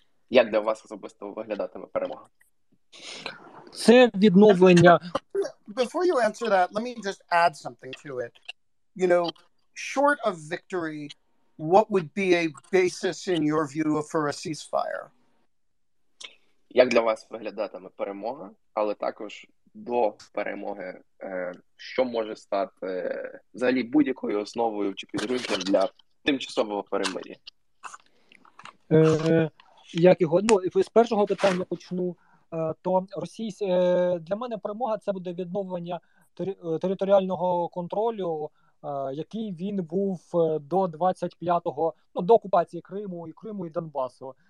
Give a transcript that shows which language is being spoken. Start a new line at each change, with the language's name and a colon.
Ukrainian: Як для вас особисто виглядатиме перемога? Це відновлення.
English: Before you answer that, let me just add something to it. You know, short of victory, what would be a basis in your view for a ceasefire?
Ukrainian: Як для вас виглядатиме перемога, але також до перемоги, що може стати взагалі будь-якою основою чи підґрунтям для тимчасового перемир'я? Як його, ну, з першого питання почну, то російсь для мене перемога — це буде відновлення територіального контролю, який він був до 25-го, ну, до окупації Криму і Криму і Донбасу.